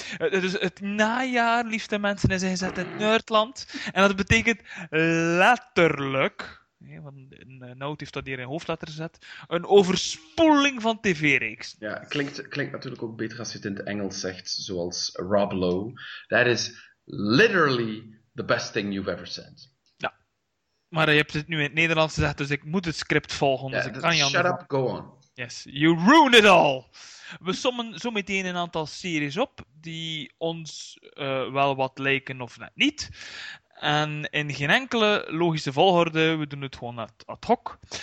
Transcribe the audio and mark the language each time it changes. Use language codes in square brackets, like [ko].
[nl] Dus het najaar, liefste mensen, is ingezet in Nerdland. En dat betekent letterlijk, want Noot heeft dat hier in hoofdletter gezet, een overspoeling van tv-reeks. Ja, klinkt natuurlijk ook beter als je het in het Engels zegt, zoals Rob Lowe. [en] That is literally the best thing you've ever said. [nl] Maar je hebt het nu in het Nederlands gezegd, dus ik moet het script volgen. Dus ik kan je [en] shut up, go on. Yes, you ruin it all. [nl] We sommen zo meteen een aantal series op die ons wel wat lijken of net niet. En in geen enkele logische volgorde, we doen het gewoon ad hoc.